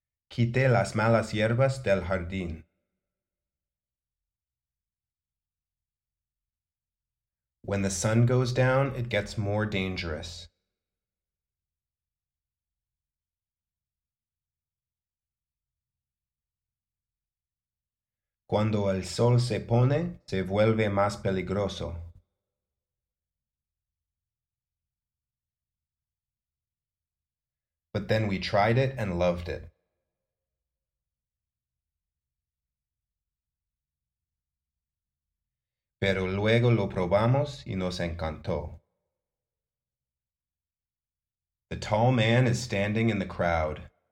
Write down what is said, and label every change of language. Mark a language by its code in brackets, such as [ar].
[es] Quité las malas hierbas del jardín. [en] When the sun goes down, it gets more dangerous. [es] Cuando el sol se pone, se vuelve más peligroso. [en] But then we tried it and loved it. [es] Pero luego lo probamos y nos encantó. [en] The tall man is standing in the crowd.